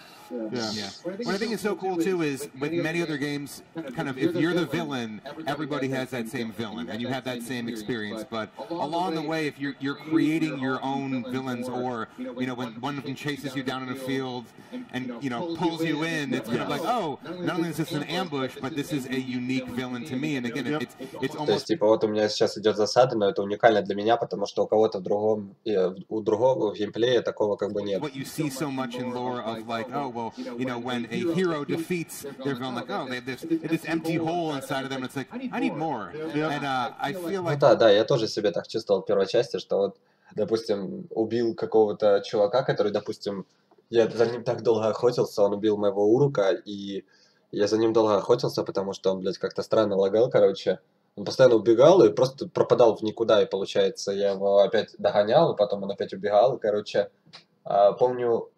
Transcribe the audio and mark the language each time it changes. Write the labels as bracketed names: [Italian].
[English] What I think is so cool too is with many other games, kind of if you're the villain, everybody has that same villain and you have that same experience. But along the way, if you're creating your own villains, or you know, when one of them chases you down in a field and you know pulls you in, it's kind of like, oh, not only is this an ambush, but this is a unique villain to me. And again, it's almost. [Russian] То есть, типа, вот у меня сейчас идет засада, но это уникально для меня, потому что у кого-то в другом, у другого в геймплее такого как бы нет. [English] What you see so much in lore of like, oh. Well, you know, when a hero defeats their villain, like, oh, they have this empty hole inside of them, and it's like, I need more. Yeah. And I feel like... [Russian] Ну, да, я тоже себе так чувствовал в первой части, что вот, допустим, убил какого-то чувака, который, допустим, я за ним так долго охотился, он убил моего Урука, и я за ним долго охотился, потому что он, блядь, как-то странно лагал, короче. Он постоянно убегал и просто пропадал в никуда, и, получается, я его опять догонял, и потом он опять убегал, и, короче, помню...